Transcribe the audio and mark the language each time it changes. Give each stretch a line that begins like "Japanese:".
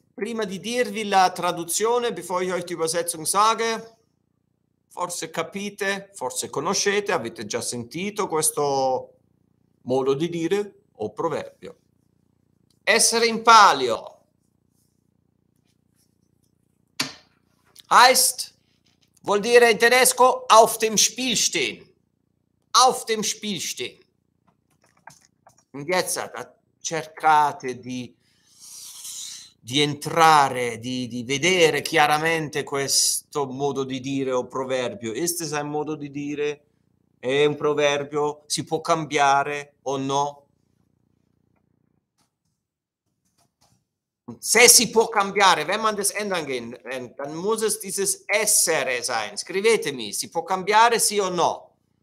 Italian: Prima di dirvi la traduzione,
German: bevor ich euch die Übersetzung sage,
Italian: forse capite, forse conoscete, avete già sentito questo modo di dire o proverbio. Essere in palio heißt, vuol dire in tedesco,
German: auf dem Spiel stehen. Auf dem Spiel stehen. Und jetzt
Italian: cercate di entrare, di vedere chiaramente questo modo di dire o proverbio.
German: Ist es ein
Italian: modo di dire? È un proverbio? Si può cambiare o no? Se si può cambiare,
German: wenn man das ändern kann, dann muss es dieses essere sein.
Italian: Scrivetemi, si può cambiare, sì o no?